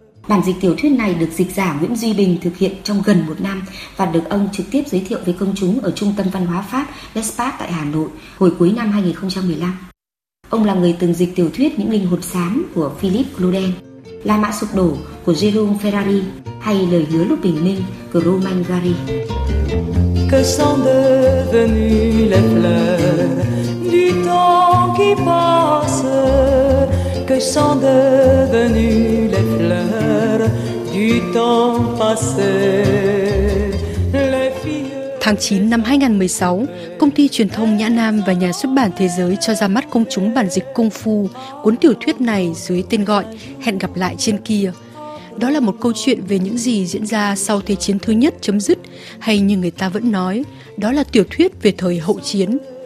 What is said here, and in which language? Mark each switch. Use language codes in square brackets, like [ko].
[vi] Bản dịch tiểu thuyết này được dịch giả Nguyễn Duy Bình thực hiện trong gần một năm và được ông trực tiếp giới thiệu với công chúng ở Trung tâm Văn hóa Pháp L'Espace tại Hà Nội hồi cuối năm 2015. Ông là người từng dịch tiểu thuyết Những linh hồn xám của Philippe Claudel, La mã sụp đổ của Jérôme Ferrari hay Lời hứa lúc bình minh của Romain Gary. [fr] Que sont devenues les fleurs du temps qui passe? Que sont devenues les fleurs du temps passé? [vi] Tháng 9 năm 2016, công ty truyền thông Nhã Nam và nhà xuất bản Thế giới cho ra mắt công chúng bản dịch công phu cuốn tiểu thuyết này dưới tên gọi Hẹn gặp lại trên kia. Đó là một câu chuyện về những gì diễn ra sau Thế chiến thứ nhất chấm dứt, hay như người ta vẫn nói, đó là tiểu thuyết về thời hậu chiến.